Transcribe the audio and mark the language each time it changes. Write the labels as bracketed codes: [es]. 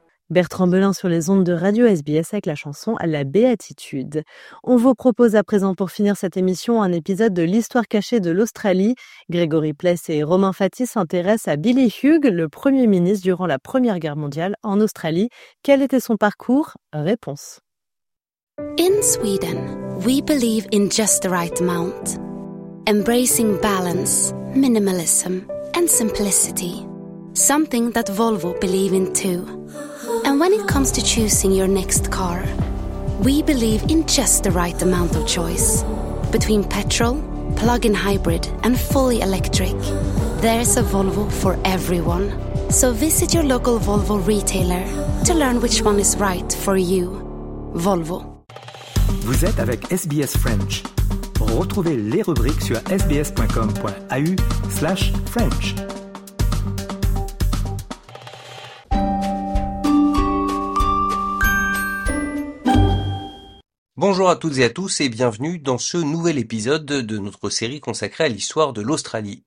[fr] Bertrand Belin sur les ondes de Radio SBS avec la chanson « La Béatitude ». On vous propose à présent pour finir cette émission un épisode de l'Histoire cachée de l'Australie. Grégory Pless et Romain Fatty s'intéressent à Billy Hugh, le Premier ministre durant la Première Guerre mondiale en Australie. Quel était son parcours ? Réponse. [en] In Sweden, we believe in just the right amount. Embracing balance, minimalism and simplicity. Something that Volvo believe in too. And when it comes to choosing your next car, we believe in just the right amount of choice. Between petrol, plug-in hybrid and fully electric, there's a Volvo for everyone. So visit your local Volvo retailer to learn which one is right for you. Volvo. [fr] Vous êtes avec SBS French. Retrouvez les rubriques sur sbs.com.au/french. Bonjour à toutes et à tous et bienvenue dans ce nouvel épisode de notre série consacrée à l'histoire de l'Australie.